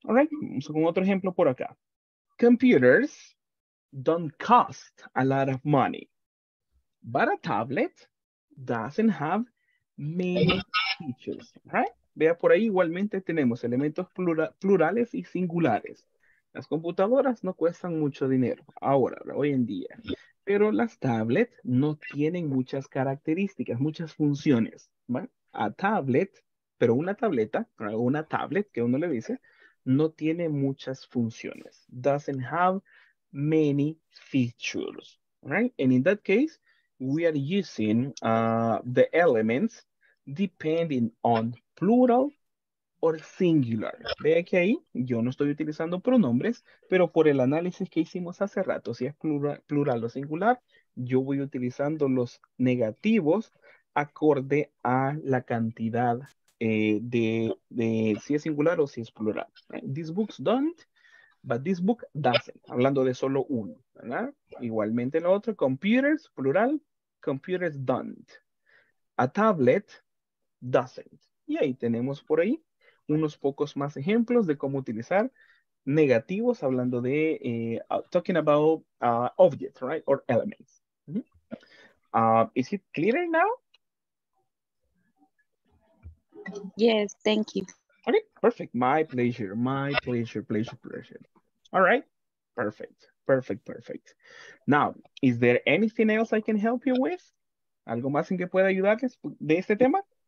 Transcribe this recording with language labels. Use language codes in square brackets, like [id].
[en] All right, [es] vamos con otro ejemplo por acá. [en] Computers don't cost a lot of money, but a tablet doesn't have many features, right? [es] Vea por ahí, igualmente tenemos elementos plurales y singulares. Las computadoras no cuestan mucho dinero ahora, hoy en día. pero las tablets no tienen muchas características, muchas funciones, ¿vale? A tablet, pero una tableta, una tablet que uno le dice, no tiene muchas funciones. [en] Doesn't have many features, right? And in that case, we are using the elements depending on plural or singular. [es] Ve que ahí yo no estoy utilizando pronombres, pero por el análisis que hicimos hace rato, si es plural o singular, yo voy utilizando los negativos acorde a la cantidad de si es singular o si es plural. [en] Right? These books don't, but this book doesn't. [es] Hablando de solo uno, ¿verdad? Igualmente lo otro, computers, plural, [en] computers don't. A tablet doesn't. [es] Y ahí tenemos por ahí unos pocos más ejemplos de cómo utilizar negativos hablando de, [en] talking about objects, right? Or elements. Mm-hmm. Is it clearer now? Yes, thank you. Okay, perfect. My pleasure. All right. Perfect. Now, is there anything else I can help you with? [es] ¿Algo más en que pueda ayudarles de este tema?